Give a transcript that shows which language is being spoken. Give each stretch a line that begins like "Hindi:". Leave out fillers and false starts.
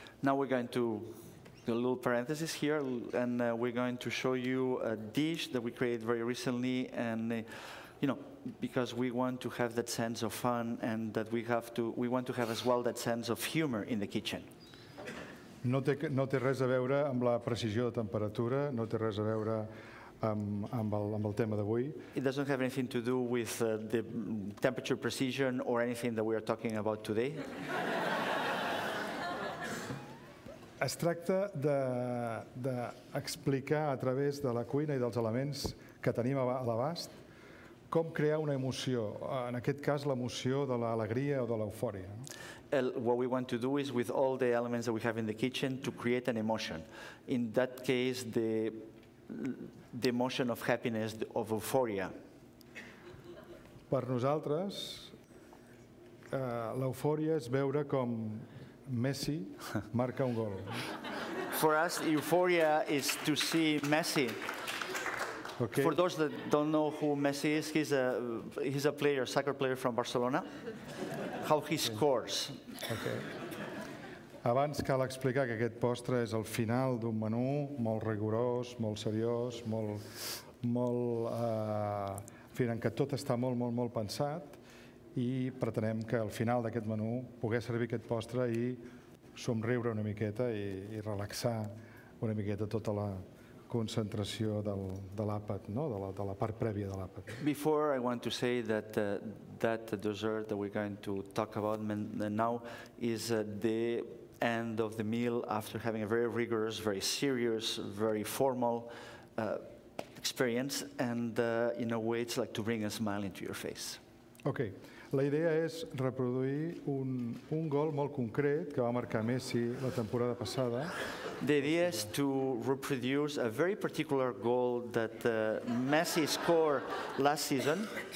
English: Now we're going to do a little parenthesis here and we're going to show you a dish that we created very recently and you know, because we want to have that sense of fun and that we want to have as well that sense of humor in the kitchen.
Catalan: No té res a veure amb la precisió de temperatura, no té res a veure amb el tema d'avui.
English: It doesn't have anything to do with the temperature precision or anything that we are talking about today.
Catalan: Es tracta d'explicar a través de la cuina i dels elements que tenim a l'abast com crear una emoció, en aquest cas l'emoció de l'alegria o de l'eufòria.
English: What we want to do is with all the elements that we have in the kitchen to create an emotion. In that case, the emotion of happiness, of euphoria.
Catalan: Per nosaltres, l'eufòria és veure com Messi marca un gol.
English: For us, euphoria is to see Messi. Okay. For those that don't know who Messi is, he's a player, soccer player from Barcelona. How he scores. Okay.
Catalan: Abans cal explicar que aquest postre és el final d'un menú molt rigorós, molt seriós, molt en què tot està molt pensat. I pretenem que al final d'aquest menú pugui servir aquest postre i somriure una miqueta i relaxar una miqueta tota la concentració de l'àpat, no? de la part prèvia de l'àpat.
English: Before I want to say that that dessert that we're going to talk about now is the end of the meal after having a very rigorous, very serious, very formal experience, and in a way it's like to bring a smile into your face. Okay.
Catalan: La idea és reproduir un gol molt concret que va marcar Messi la temporada passada.
English: The idea is to reproduce a very particular goal that Messi scored last season.